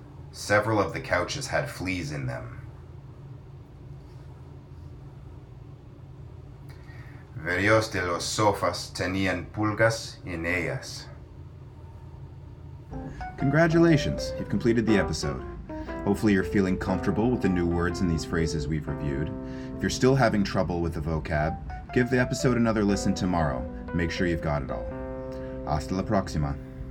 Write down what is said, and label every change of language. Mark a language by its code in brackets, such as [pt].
[en] Several of the couches had fleas in them. [es] Varios de los sofás tenían pulgas en ellas. [en] Congratulations, you've completed the episode. Hopefully you're feeling comfortable with the new words and these phrases we've reviewed. If you're still having trouble with the vocab, give the episode another listen tomorrow. Make sure you've got it all. [es] Hasta la próxima.